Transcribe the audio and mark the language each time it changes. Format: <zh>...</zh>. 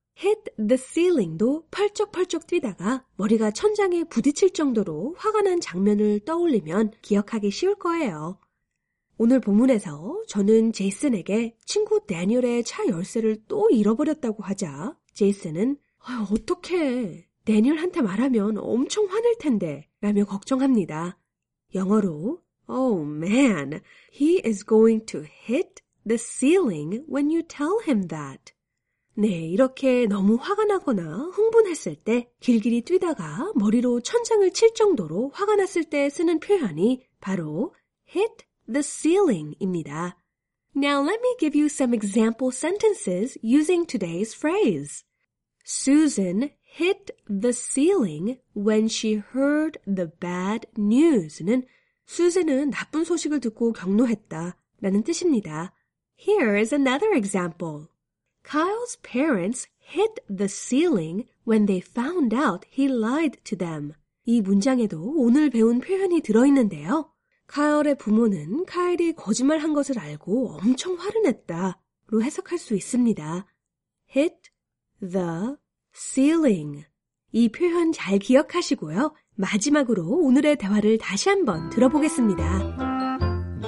<ko>Hit the ceiling도 펄쩍펄쩍 뛰다가 머리가 천장에 부딪힐 정도로 화가 난 장면을 떠올리면 기억하기 쉬울 거예요. 오늘 본문에서 저는 제이슨에게 친구 다니엘의 차 열쇠를 또 잃어버렸다고 하자 제이슨은 아유, 어떡해. 다니엘한테 말하면 엄청 화낼 텐데 라며 걱정합니다. 영어로</ko> <en>Oh man, he is going to hit the ceiling when you tell him that.</en> <ko>네, 이렇게 너무 화가 나거나 흥분했을 때 길길이 뛰다가 머리로 천장을 칠 정도로 화가 났을 때 쓰는 표현이 바로 hit the ceiling입니다.</ko> <en>Now let me give you some example sentences using today's phrase. Susan hit the ceiling when she heard the bad news</en> <ko>는 수잔은 나쁜 소식을 듣고 격노했다 라는 뜻입니다.</ko> <en>Here is another example. Kyle's parents hit the ceiling when they found out he lied to them.</en> <ko>이 문장에도 오늘 배운 표현이 들어있는데요. Kyle의 부모는 Kyle이 거짓말한 것을 알고 엄청 화를 냈다로 해석할 수 있습니다.</ko> <en>Hit the ceiling.</en> <ko>이 표현 잘 기억하시고요. 마지막으로 오늘의 대화를 다시 한번 들어보겠습니다.</ko>